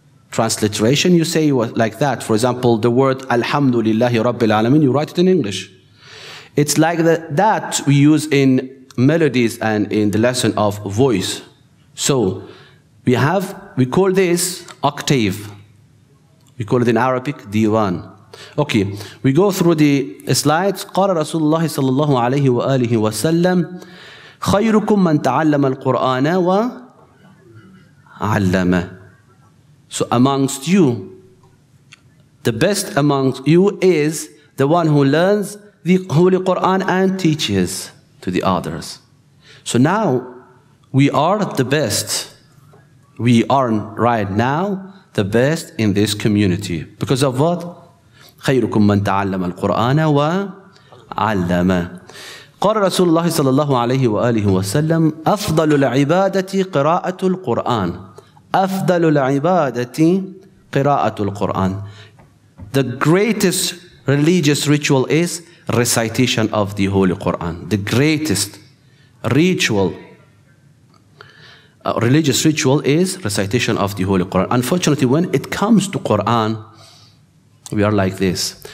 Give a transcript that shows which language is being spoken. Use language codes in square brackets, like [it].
[en] Transliteration, you say like that. For example, the word Alhamdulillahi Rabbil Alameen, you write it in English. It's like that we use in melodies and in the lesson of voice. So we call this octave. We call it in Arabic, Diwan. Okay, we go through the slides. [ar] قال رسول الله صلى الله عليه وآله وسلم خيركم من تعلم القرآن وعلمه. [en] So amongst you, the best amongst you is the one who learns the Holy Quran and teaches to the others. So now we are the best. We are right now the best in this community. Because of what? [ar] خيركم من تعلم القرآن وعلمه. قال رسول الله صلى الله عليه وآله وسلم أفضل العبادة قراءة القرآن. أفضل العبادة قراءة القرآن. [en] The greatest religious ritual is recitation of the Holy Quran. The greatest ritual, religious ritual is recitation of the Holy Quran. Unfortunately, when it comes to Quran, we are like this.